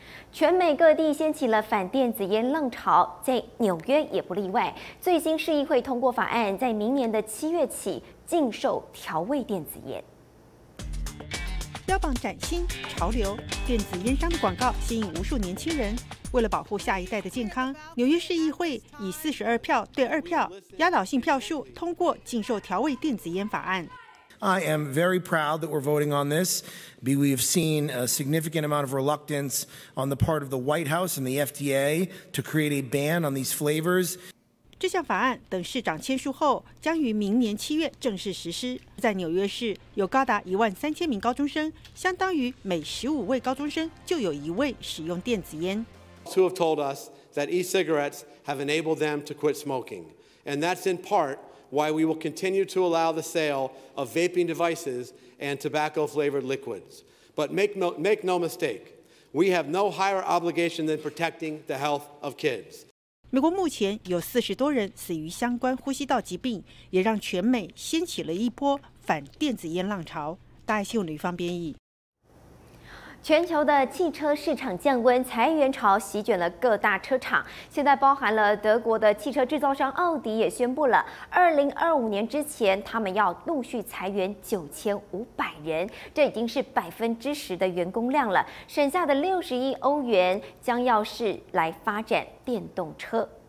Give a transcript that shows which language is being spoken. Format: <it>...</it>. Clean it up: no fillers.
<zh>全美各地掀起了反电子烟浪潮，在纽约也不例外，最新市议会通过法案，在明年的七月起禁售调味电子烟。标榜崭新潮流，电子烟商的广告吸引无数年轻人。为了保护下一代的健康，纽约市议会以42票对2票压倒性票数通过禁售调味电子烟法案。</zh> <en>I am very proud that we're voting on this. We have seen a significant amount of reluctance on the part of the White House and the FDA to create a ban on these flavors.</en> <zh>这项法案等市长签署后，将于明年七月正式实施。在纽约市，有高达13000名高中生，相当于每15位高中生就有1位使用电子烟。</zh> <en>Two have told us that e-cigarettes have enabled them to quit smoking, and that's in part. Why we will continue to allow the sale of vaping devices and tobacco-flavored liquids. But make no mistake, we have no higher obligation than protecting the health of kids.</en> <zh>美国目前有40多人死于相关呼吸道疾病，也让全美掀起了一波反电子烟浪潮。大爱新闻吕芳编译。全球的汽车市场降温，裁员潮席卷了各大车厂，现在包含了德国的汽车制造商奥迪也宣布了2025年之前他们要陆续裁员9500人，这已经是10%的员工量了，省下的60亿欧元将要是来发展电动车。</zh>